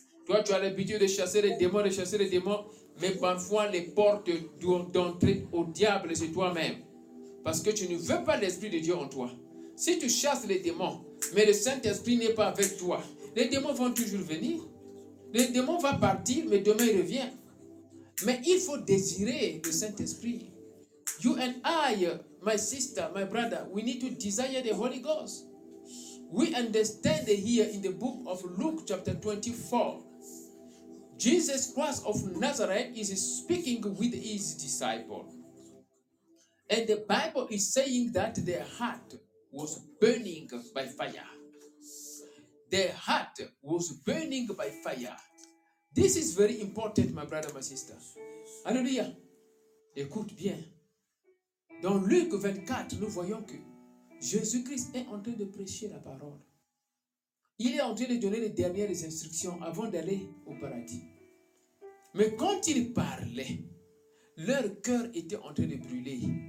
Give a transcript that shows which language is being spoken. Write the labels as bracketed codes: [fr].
[fr] Toi, tu as l'habitude de chasser les démons, de chasser les démons, mais parfois les portes d'entrée au diable, c'est toi-même. Parce que tu ne veux pas l'Esprit de Dieu en toi. Si tu chasses les démons, mais le Saint-Esprit n'est pas avec toi, les démons vont toujours venir. Les démons vont partir, mais demain, ils reviennent. Mais il faut désirer le Saint-Esprit. [en] You and I, my sister, my brother, we need to desire the Holy Ghost. We understand here in the book of Luke chapter 24, Jesus Christ of Nazareth is speaking with his disciples. And the Bible is saying that their heart was burning by fire. Their heart was burning by fire. This is very important, my brother, my sister. [fr] Alléluia. Écoute bien. Dans Luc 24, nous voyons que Jésus-Christ est en train de prêcher la parole. Il est en train de donner les dernières instructions avant d'aller au paradis. Mais quand il parlait, leur cœur était en train de brûler.